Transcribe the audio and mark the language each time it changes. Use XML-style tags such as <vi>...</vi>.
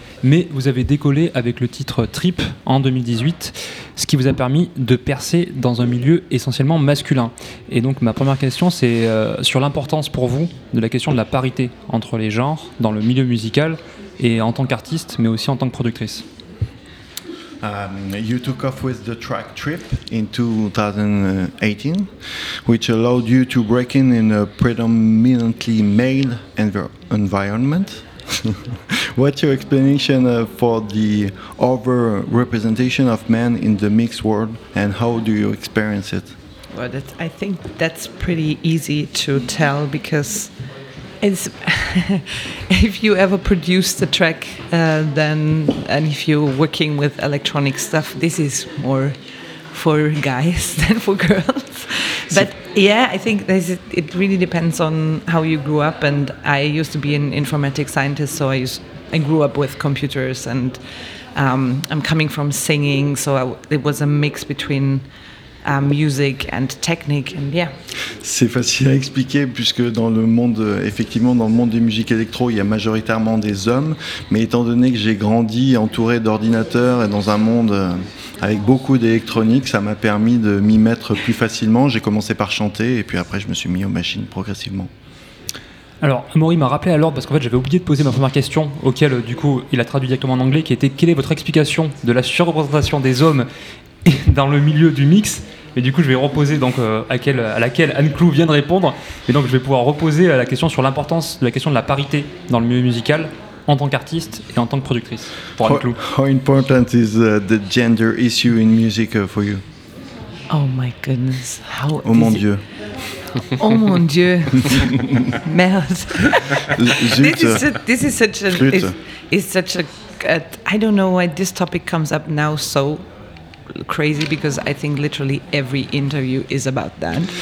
<fr>Mais vous avez décollé avec le titre Trip en 2018, ce qui vous a permis de percer dans un milieu essentiellement masculin. Et donc ma première question, c'est sur l'importance pour vous de la question de la parité entre les genres dans le milieu musical et en tant qu'artiste, mais aussi en tant que productrice.</fr> <en>You took off with the track Trip in 2018, which allowed you to break in a predominantly male environment. What's your explanation for the over-representation of men in the mixed world, and how do you experience it? Well, that, I think that's pretty easy to tell, because it's if you ever produce the track, then, and if you're working with electronic stuff, this is more for guys than for girls. But yeah, I think it really depends on how you grew up. And I used to be an informatics scientist, so I grew up with computers, and I'm coming from singing, so it was a mix between music and technique, and yeah.</en> <fr>C'est facile à expliquer, puisque dans le monde, effectivement, dans le monde des musiques électro, il y a majoritairement des hommes, mais étant donné que j'ai grandi entouré d'ordinateurs et dans un monde avec beaucoup d'électronique, ça m'a permis de m'y mettre plus facilement. J'ai commencé par chanter, et puis après je me suis mis aux machines progressivement. Alors, Amaury m'a rappelé à l'ordre, parce qu'en fait j'avais oublié de poser ma première question, auquel du coup il a traduit directement en anglais, qui était: quelle est votre explication de la surreprésentation des hommes dans le milieu du mix? Et du coup je vais reposer donc à laquelle Anne Clou vient de répondre, et donc je vais pouvoir reposer à la question sur l'importance de la question de la parité dans le milieu musical en tant qu'artiste et en tant que productrice pour Anne Clou.</fr> <en>How important is the gender issue in music for you? Oh my goodness. How</en> <fr>oh mon dieu. Oh mon dieu. Merde.</fr> <en>I don't know why this topic comes up now so crazy, because I think literally every interview is about that.</en>